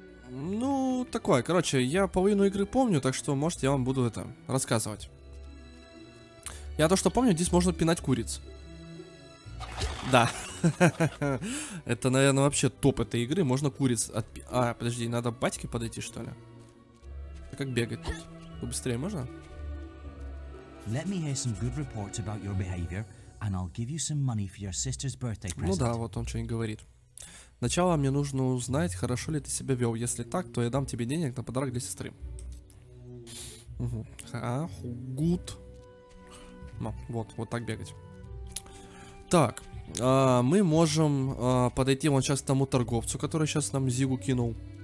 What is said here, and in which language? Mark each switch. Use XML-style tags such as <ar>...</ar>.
<ru>Ну, такое, короче, я половину игры помню, так что, может, я вам буду это рассказывать. Я то, что помню, здесь можно пинать куриц. Да. Это, наверное, вообще топ этой игры. Можно куриц отпинать. А, подожди, надо батьке подойти, что ли? А как бегать тут? Побыстрее можно?</ru> <en>Let me hear some good reports about your behavior, and I'll give you some money for your sister's birthday present.</en> <ru>Ну да, вот он что-нибудь говорит. Сначала мне нужно узнать, хорошо ли ты себя вел. Если так, то я дам тебе денег на подарок для сестры. Угу. Гуд. Вот, вот так бегать. Так, мы можем подойти вон сейчас к тому торговцу, который сейчас нам Зигу кинул.</ru>